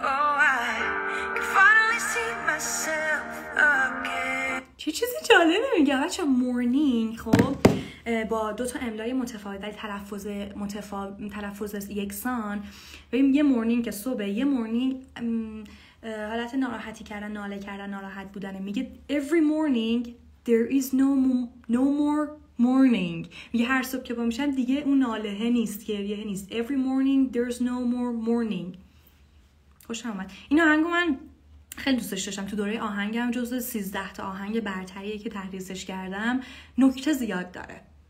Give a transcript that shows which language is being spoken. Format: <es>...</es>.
<en>Oh I can finally see myself again.</en> <fa>چه چیز جالبه میگه بچه. Morning خب با دو تا املای متفاوت ولی تلفظ تلفظ یکسان. ببین یه مورنینگ که صبح، یه مورنینگ حالت ناراحتی کردن، ناله کردن، ناراحت بودن.</fa> <en>میگه every morning there is no more morning.</en> <fa>میگه هر صبح که با میشم دیگه اون ناله نیست، گریه نیست.</fa> <en>every morning there's no more morning.</en> <fa>خوش آمد. این آهنگ من خیلی دوستش داشتم. تو دوره آهنگم جزء 13 تا آهنگ برتریه که تحریزش کردم. نکته زیاد داره.</fa>